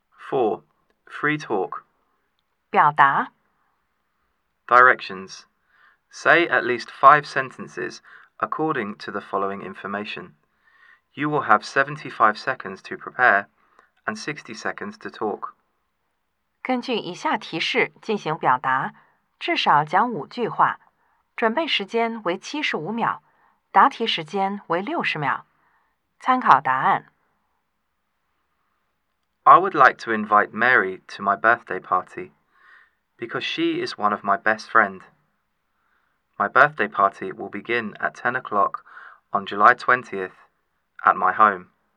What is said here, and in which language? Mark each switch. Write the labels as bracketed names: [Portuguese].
[English] 4. Free talk. [Chinese] 表达 [English] Directions. Say at least 5 sentences according to the following information. You will have 75 seconds to prepare and 60 seconds to talk. [Chinese] 根据以下提示进行表达，至少讲五句话，准备时间为75秒，答题时间为60秒。参考答案。 [English] I would like to invite Mary to my birthday party because she is one of my best friends. My birthday party will begin at 10 o'clock on July 20th at my home.